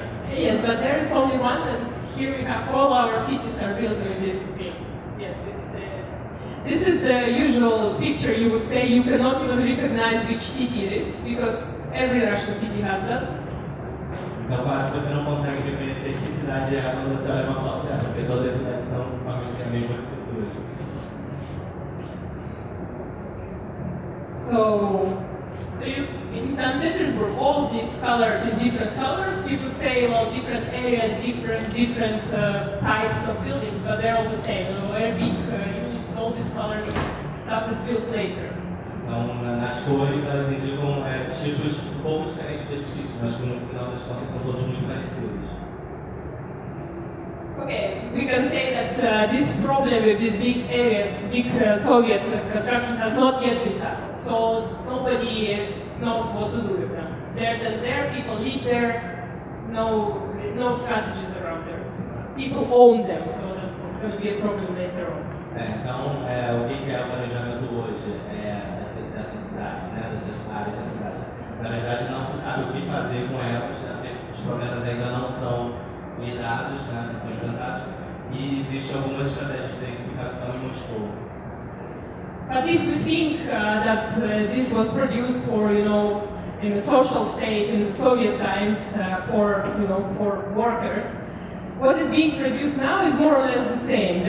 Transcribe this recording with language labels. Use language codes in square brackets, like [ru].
[en] Yes, but there is only one, and here we have all our cities are built in this space. Yes, it's the. This is the usual picture. You would say you cannot even recognize which city it is because every Russian city has that. [pt] Então, acho que você não consegue reconhecer que cidade é quando você olha uma foto dessa, porque todas as cidades são provavelmente a mesma arquitetura. [en] So you, in St. Petersburg, all of these colored in different colors, you could say, well, different areas, different types of buildings, but they're all the same. You know, very big units, all these colored stuff is built later. [pt] Então, nas cores, elas indicam tipos um pouco diferentes de edifícios, mas no final das contas são todos muito parecidos. [en] Okay, we can say that this problem with these big areas, big Soviet construction has not yet been tackled. So nobody knows what to do with them. They're just there, people live there, no strategies around there. People own them, so that's going to be a problem later on. [pt] Então, o que é o planejamento hoje dessa cidade, dessas áreas da cidade? Na verdade, não se sabe o que fazer com elas, porque os problemas ainda não são lidados, né, são implantados, e existe algumas estratégias de densificação em Moscou. [en] But if we think that this was produced for, you know, in the social state in the Soviet times for workers, what is being produced now is more or less the same.